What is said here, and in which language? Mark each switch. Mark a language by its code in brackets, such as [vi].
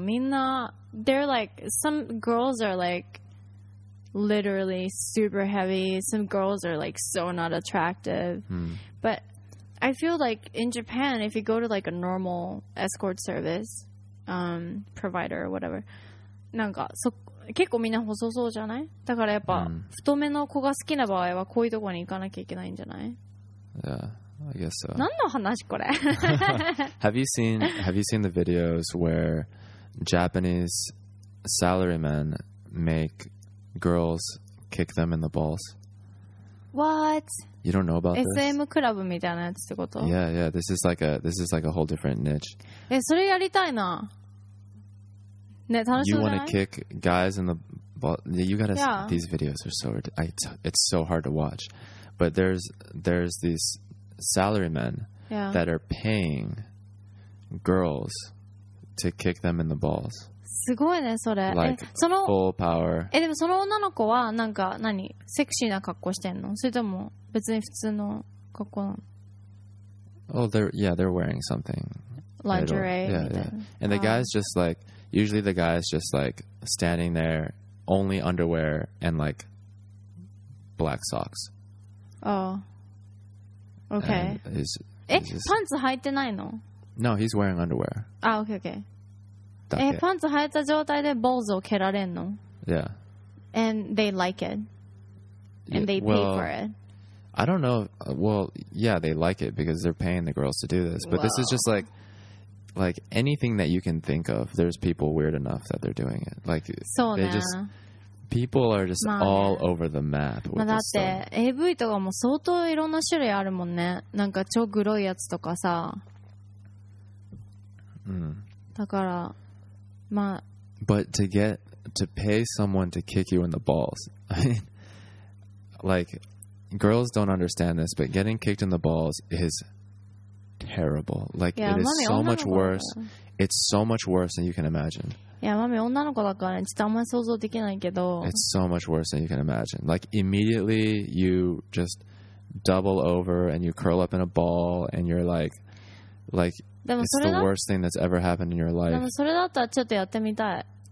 [ja] みんな [en] they're like some girls are like literally super heavy, some girls are like so not attractive、but I feel like in Japan if you go to like a normal escort service、provider or whatever, [ja] なんか結構みんな細そうじゃない？だからやっぱ太めの子が好きな場合はこういうところに行かなきゃいけないんじゃない？ [en] Yeah, I guess so. [ja] 何の話これ？ [en] Have you seen the videos where Japanese salarymen make girls kick them in the balls? What? You don't know about this? [ja] SM クラブみたいなやつってこと？ [en] Yeah, yeah. This is like a whole different niche. [ja] え、それやりたいな。ね、 [en] you want to kick guys in the ball? You gotta see these videos are so it's so hard to watch. But there's these salarymen that are paying girls to kick them in the balls. [ja] すごいね、それ。 [en] Like full power. [ja] え、でもその女の子はなんか何セクシーな格好してんの？それとも別に普通の格好なの？ [en] Oh, they're wearing something. Lingerie. Yeah. And the guys just like. Usually the guy is just like standing there, only underwear and like black socks. Oh. Okay. He's [ja] パンツ履いてないの? [en] No, he's wearing underwear. Ah, okay, okay. [ja] え、パンツ履いた状態で balls を蹴られんの? [en] Yeah. And they like it. And they pay for it. I don't know. Well, yeah, they like it because they're paying the girls to do this. But this is just like... Like anything that you can think of, there's people weird enough that they're doing it. Like, [ja] そうね。 [en] They just, people are just all over the map with this stuff. [ja] だって、AV とかも相当いろんな種類あるもんね。なんか超グロいやつとかさ。だから、まあ。 [en] But to pay someone to kick you in the balls, I mean, like, girls don't understand this, but getting kicked in the balls is... Terrible. Like, yeah, it is so much worse. It's so much worse than you can imagine. Yeah, mommy, [ja] 女の子だからちょっとあんまり想像できないけど [en] It's so much worse than you can imagine. Like, immediately you just double over and you curl up in a ball and you're like it's the worst thing that's ever happened in your life. [ja] でもそれだったらちょっとやってみたい。